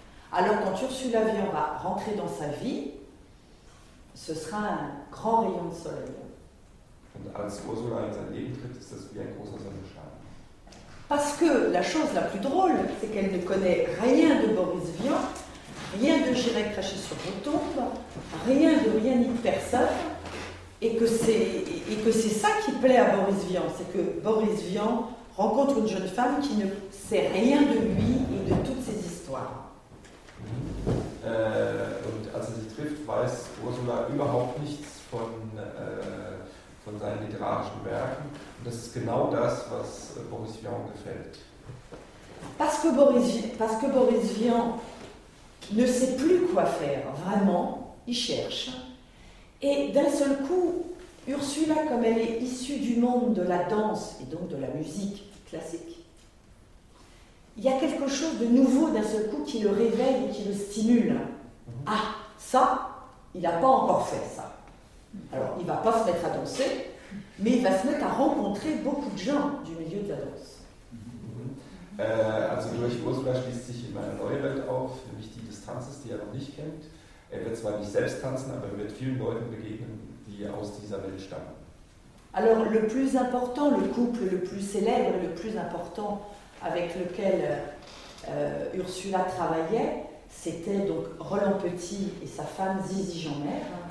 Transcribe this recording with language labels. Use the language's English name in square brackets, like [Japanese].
[French] Alors quand Ursula Vian va rentrer dans sa vie, ce sera un grand rayon de soleil. [German] Und als Ursula in sein Leben tritt, ist das wie ein großer Sonnenschein. [French] Parce que la chose la plus drôle, c'est qu'elle ne connaît rien de Boris Vian, rien de J'irai cracher sur vos tombes, rien de rien ni de personne, et que c'est ça qui plaît à Boris Vian, c'est que Boris Vian rencontre une jeune femme qui ne sait rien de lui et de toutes ses histoires. [German] Und als er sich trifft, weiß Ursula überhaupt nichts von seinen literarischen Werken. Und das ist genau das, was Boris Vian gefällt. [French] Parce que Boris Vian ne sait plus quoi faire, vraiment, il cherche. Et d'un seul coup, Ursula, comme elle est issue du monde de la danse et donc de la musique classique, il y a quelque chose de nouveau d'un seul coup qui le réveille et qui le stimule. Ah, ça, il n'a pas encore fait ça. Alors, il ne va pas se mettre à danser, mais il va se mettre à rencontrer beaucoup de gens du milieu de la danse. [German] Also, durch Ursula schließt sich immer eine neue Welt auf, nämlich die des Tanzes, die er noch nicht kennt. Er wird zwar nicht selbst tanzen, aber er wird vielen Leuten begegnen, die aus dieser Welt stammen. [French] Alors, le plus important, le couple le plus célèbre, le plus important avec lequel Ursula travaillait, c'était donc Roland Petit et sa femme Zizi Jeanmaire.